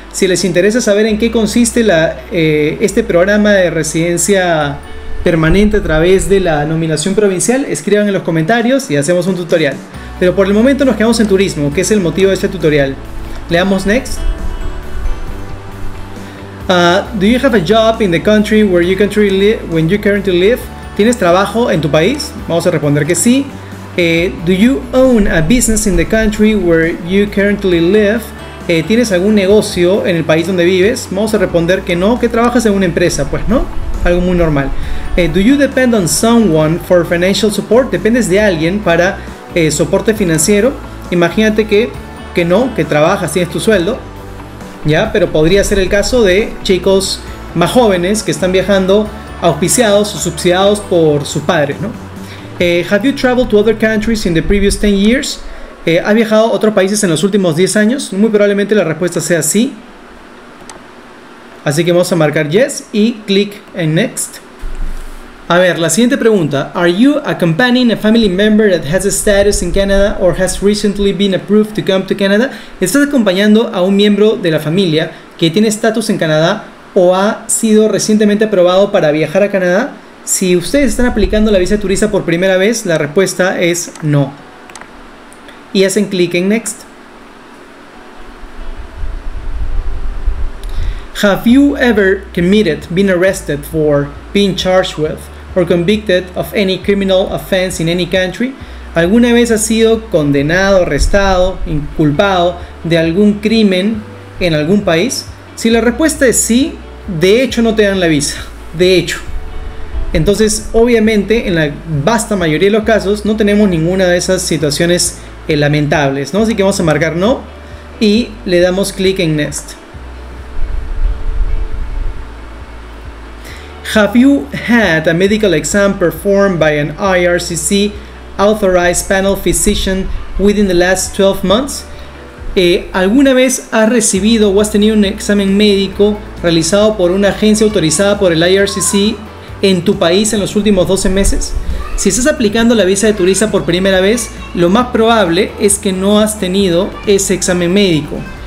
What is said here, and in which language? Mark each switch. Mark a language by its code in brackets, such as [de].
[es] Si les interesa saber en qué consiste este programa de residencia permanente a través de la nominación provincial, escriban en los comentarios y hacemos un tutorial. Pero por el momento nos quedamos en turismo, que es el motivo de este tutorial. Le damos next. [en] Do you have a job in the country where you currently live, when you currently live? [es] ¿Tienes trabajo en tu país? Vamos a responder que sí. [en] Do you own a business in the country where you currently live? [es] ¿Tienes algún negocio en el país donde vives? Vamos a responder que no, que trabajas en una empresa, pues no. Algo muy normal. [en] Do you depend on someone for financial support? [es] ¿Dependes de alguien para soporte financiero? Imagínate que no, que trabajas, tienes tu sueldo, ¿ya? Pero podría ser el caso de chicos más jóvenes que están viajando auspiciados o subsidiados por sus padres, ¿no? [en] Have you traveled to other countries in the previous 10 years? [es] ¿Has viajado a otros países en los últimos 10 años? Muy probablemente la respuesta sea sí. Así que vamos a marcar yes y clic en next. A ver, la siguiente pregunta. [en] Are you accompanying a family member that has a status in Canada or has recently been approved to come to Canada? [es] ¿Estás acompañando a un miembro de la familia que tiene estatus en Canadá o ha sido recientemente aprobado para viajar a Canadá? Si ustedes están aplicando la visa de turista por primera vez, la respuesta es no. Y hacen clic en next. [en] Have you ever committed, been arrested for, been charged with, or convicted of any criminal offense in any country? [es] ¿Alguna vez has sido condenado, arrestado, inculpado de algún crimen en algún país? Si la respuesta es sí, de hecho no te dan la visa. De hecho. Entonces, obviamente, en la vasta mayoría de los casos, no tenemos ninguna de esas situaciones lamentables, ¿no? Así que vamos a marcar no y le damos clic en next. [en] Have you had a medical exam performed by an IRCC authorized panel physician within the last 12 months? [es] ¿Alguna vez has recibido o has tenido un examen médico realizado por una agencia autorizada por el IRCC en tu país en los últimos 12 meses? Si estás aplicando la visa de turista por primera vez, lo más probable es que no has tenido ese examen médico.